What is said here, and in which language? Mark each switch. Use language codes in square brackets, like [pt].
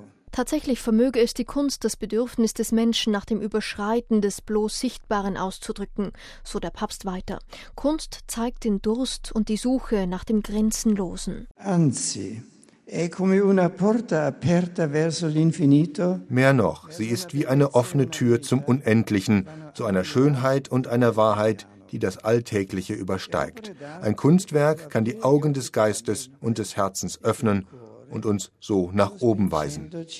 [de] Tatsächlich vermöge es die Kunst, das Bedürfnis des Menschen nach dem Überschreiten des bloß Sichtbaren auszudrücken, so der Papst weiter. Kunst zeigt den Durst und die Suche nach dem Grenzenlosen. [it] Anzi, è come una porta aperta verso l'infinito. [de] Mehr noch, sie ist wie eine offene Tür zum Unendlichen, zu einer Schönheit und einer Wahrheit, die das Alltägliche übersteigt. Ein Kunstwerk kann die Augen des Geistes und des Herzens öffnen und uns so nach oben weisen.